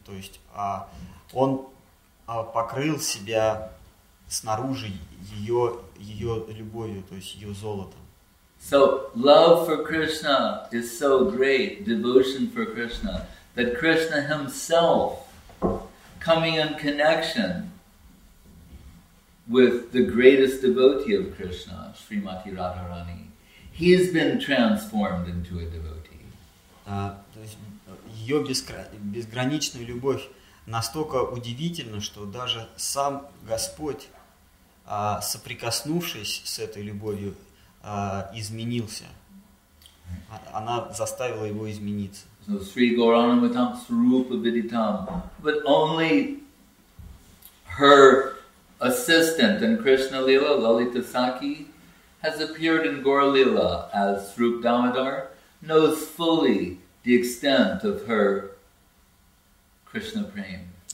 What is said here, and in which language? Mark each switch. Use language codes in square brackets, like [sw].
[ru] То есть он покрыл себя снаружи ее любовью, то есть ее золотом. [en] So love for Krishna is so great, devotion for Krishna, that Krishna himself coming in connection with the greatest devotee of Krishna, Srimati Radharani, he has been transformed into a devotee. [ru] То есть ее безграничная любовь настолько удивительна, что даже сам Господь, соприкоснувшись с этой любовью, изменился. Она заставила его измениться. [en] So [sa] Sri Gauranamitam Sarupa Viditam. [en] But only her assistant in Krishna Lila, Lalita Sakhi, has appeared in Gaura Lila as Srup Damodar, knows fully the extent of her Krishna prema.